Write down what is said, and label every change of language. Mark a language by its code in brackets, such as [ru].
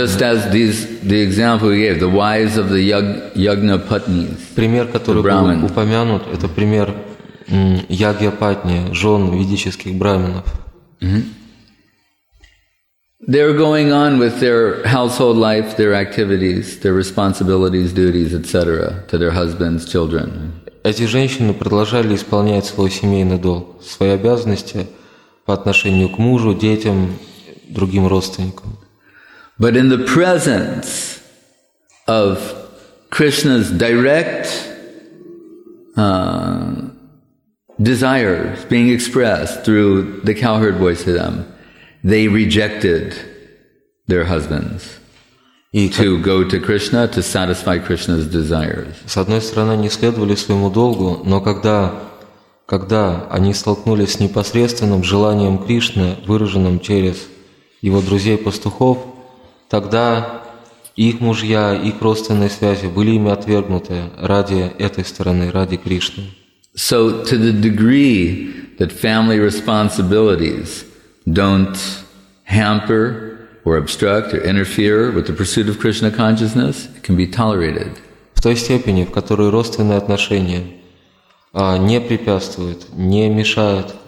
[en] Just as the example we gave, the wives of the yagna patnis. [ru] Пример, который был упомянут, это пример ягья патни, жен ведических браминов. [en] They're going on with their household life, their activities, their responsibilities, duties, etc. to their husbands, children. [ru] Эти женщины продолжали исполнять свой семейный долг, свои обязанности по отношению к мужу, детям, другим родственникам. [en] But in the presence of Krishna's direct desires being expressed through the cowherd voice to them, they rejected their husbands to go to Krishna to satisfy Krishna's desires. [ru] С одной стороны, они следовали своему долгу, но когда они столкнулись с непосредственным желанием Кришны, выраженным через его друзей-пастухов, тогда их мужья, их родственные связи были ими отвергнуты ради этой стороны, ради Кришны. [en] So to the degree that family responsibilities don't hamper or obstruct or interfere with the pursuit of Krishna consciousness, it can be tolerated. [ru] В той степени, в которой родственные отношения не препятствуют, не мешают